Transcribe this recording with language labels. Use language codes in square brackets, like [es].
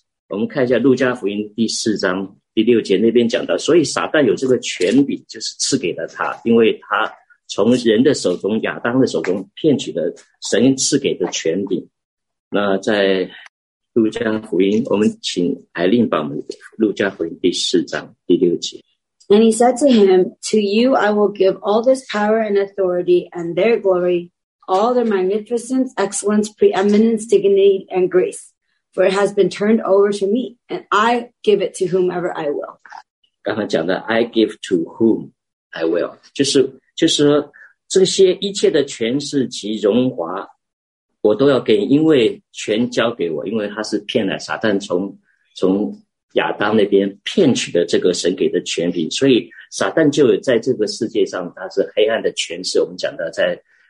[zh] 我们看一下路加福音第四章第六节那边讲到，所以撒旦有这个权柄，就是赐给了他，因为他从人的手中，亚当的手中骗取了神赐给的权柄。那在路加福音，我们请艾琳帮我们路加福音第四章第六节。 [en] And he said to him, "To you I will give all this power and authority and their glory, all their magnificence, excellence, preeminence, dignity, and grace. For it has been turned over to me, and I give it to whomever I will." [zh] 刚才讲的 [en] I give to whom I will， [zh] 就是说这些一切的权势及荣华我都要给，因为权交给我，因为他是骗了撒旦从亚当那边骗取的这个神给的权柄，所以撒旦就有在这个世界上他是黑暗的权势。我们讲的在